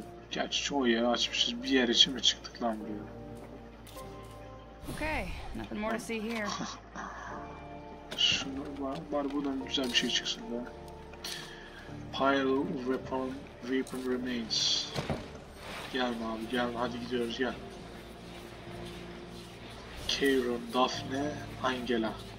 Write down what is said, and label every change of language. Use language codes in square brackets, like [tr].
[tr] Gerçi çoğu yeri açmışız. Bir yer için mi çıktık lan buraya? [en] Okay, nothing more to see here. [tr] Şunu var, buradan güzel bir şey çıksın da. [en] Pile of weapon remains. [tr] Gel abi gel, hadi gidiyoruz gel. Cairon, Daphne, Angela.